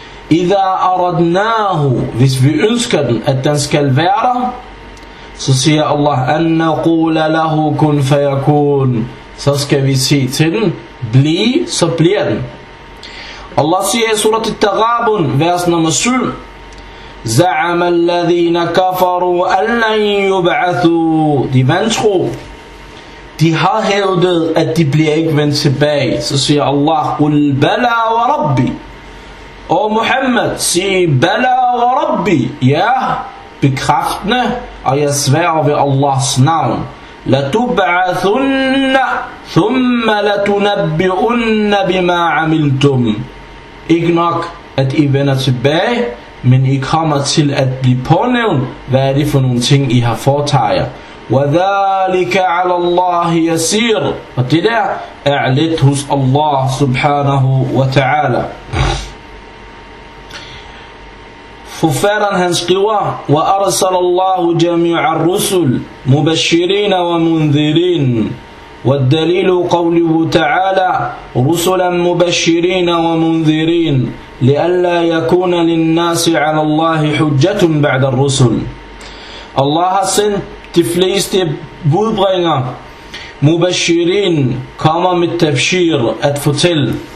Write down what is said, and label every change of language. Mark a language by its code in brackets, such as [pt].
[ar] Idha aradnahu, [da] hvis vi ønsker den, at den skal være der, så siger Allah, [ar] anna qula lahu kun fayakun. [da] Så skal vi sige til den, bliv, så bliver den. Allah siger i surat At-Taghabun, vers nummer 7. [ar] زعم الذين كفروا أن لن يبعثوا. [da] De vantro, de har hævdet, at de bliver ikke vendt tilbage. Så siger Allah, [ar] قل بلى وربي. [da] O Muhammad, sig [ar] بلى وربي. [da] Ja, bekræftende, og jeg sværer ved Allahs navn. [ar] لتبعثن ثم لتنبئن بما عملتم. [da] Ikke nok, at I vender tilbage, Men I kommer til at blive pånævnt, hvad er det for nogle ting, I har foretaget jer. [ar] وَذَلِكَ عَلَى اللَّهِ يَسِيرٌ [da] Og det der er lidt hos Allah subhanahu wa ta'ala. Forfatteren han skriver, [ar] وَأَرْسَلَ اللَّهُ جَمِيعَ الرُّسُلِ مُبَشِّرِينَ وَمُنذِرِينَ وَالدَّلِيلُ قَوْلِهُ تَعَالَى رُسُلًا مُبَشِّرِينَ وَمُنذِرِينَ لِأَلَّا يَكُونَ لِلنَّاسِ عَلَى اللَّهِ حُجَّةٌ بَعْدَ الرُّسُلِ [da] Allah har sendt de fleste budbringer, mubashirin, kommer med tafsir, at fortælle.